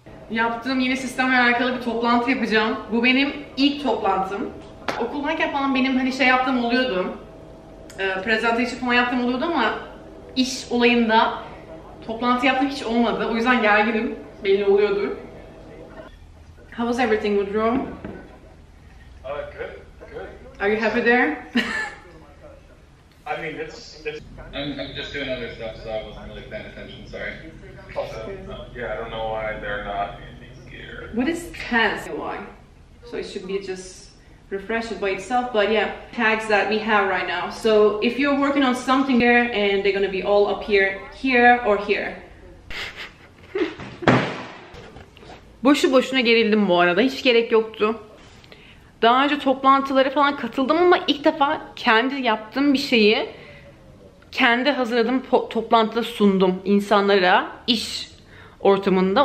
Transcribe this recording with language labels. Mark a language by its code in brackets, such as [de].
[tr] Yaptığım yeni sistemle alakalı bir toplantı yapacağım. Bu benim ilk toplantım. Okuldayken falan benim hani şey yaptığım oluyordu. Presentation falan yaptığım oluyordu ama iş olayında toplantı yaptığım hiç olmadı. O yüzden gerginim. Belli oluyordur. [en] How was everything, Woodrow? Good, good. Are you happy there? I mean, I'm just doing other stuff, so I wasn't really paying attention, sorry. Also, yeah, I don't know why they're not in gear. What is tags? Why? So it should be just refreshed by itself, but yeah, tags that we have right now. So if you're working on something here, and they're gonna be all up here or here. [tr] Boşu boşuna gerildim bu arada. Hiç gerek yoktu. Daha önce toplantılara falan katıldım ama ilk defa kendi yaptığım bir şeyi kendi hazırladığım toplantıda sundum insanlara iş ortamında.